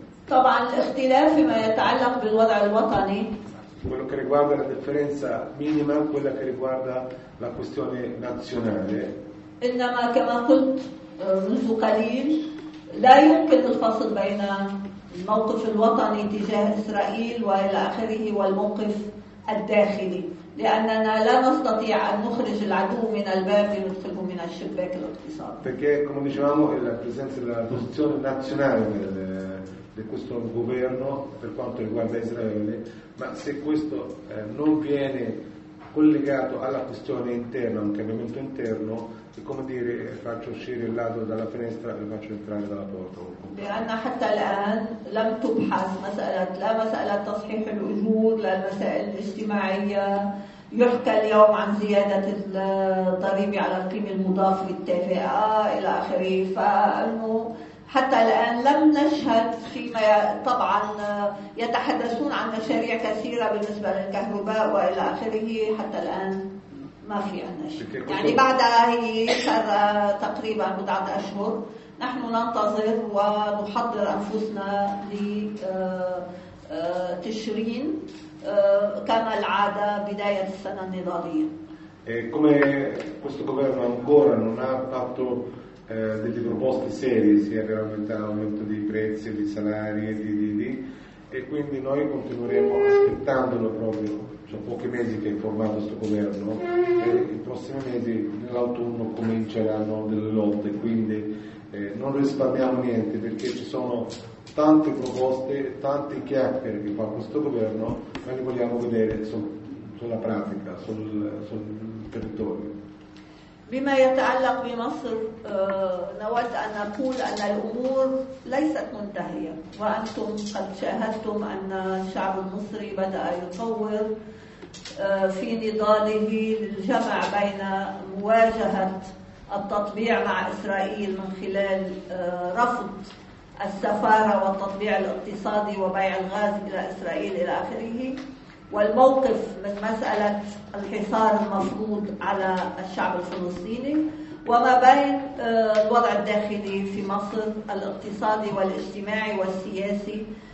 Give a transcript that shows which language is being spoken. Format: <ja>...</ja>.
<ar>طبعا الاختلاف فيما يتعلق بالوضع الوطني.</ar> <it>Quello che riguarda la differenza minima, quella che riguarda la questione nazionale.</it> <ar>إنما كما قلت منذ قليل لا يمكن الفصل بين الموقف الوطني تجاه إسرائيل وإلى آخره والموقف الداخلي لأننا لا نستطيع أن نخرج العدو من الباب لندخله من الشباك الاقتصادي.</ar> <it>Perché come dicevamo la presenza della posizione nazionale di questo governo per quanto riguarda Israele, ma se questo non viene collegato alla questione interna, un cambiamento interno, è come dire faccio uscire il ladro dalla finestra e faccio entrare dalla porta.</it> <ar>لأن حتى الآن لم تبحث مسألة لا مسألة تصحيح الأجور لا المسائل الاجتماعية يحكى اليوم عن زيادة الضريبة على القيمة المضافة للتفئة إلى آخره فأنه حتى الآن لم نشهد فيما طبعا يتحدثون عن مشاريع كثيرة بالنسبة للكهرباء وإلى آخره حتى الآن ما في عندنا شيء يعني بعد صار تقريبا بضعة أشهر نحن ننتظر ونحضر أنفسنا لتشرين كما العادة بداية السنة النضالية.</ar> <it>Come questo governo ancora non ha fatto delle proposte serie sia per aumento dei prezzi, dei salari e quindi noi continueremo aspettandolo proprio, sono pochi mesi che è formato questo governo e i prossimi mesi nell'autunno cominceranno delle lotte, quindi non risparmiamo niente perché ci sono tante proposte, tante chiacchiere che fa questo governo, ma li vogliamo vedere sulla pratica, sul territorio.</it> <ar>بما يتعلق بمصر نود أن أقول أن الأمور ليست منتهية وأنتم قد شاهدتم أن الشعب المصري بدأ يطور في نضاله للجمع بين مواجهة التطبيع مع إسرائيل من خلال رفض السفارة والتطبيع الاقتصادي وبيع الغاز إلى إسرائيل إلى آخره والموقف من مسألة الحصار المفروض على الشعب الفلسطيني وما بين الوضع الداخلي في مصر الاقتصادي والاجتماعي والسياسي</ar>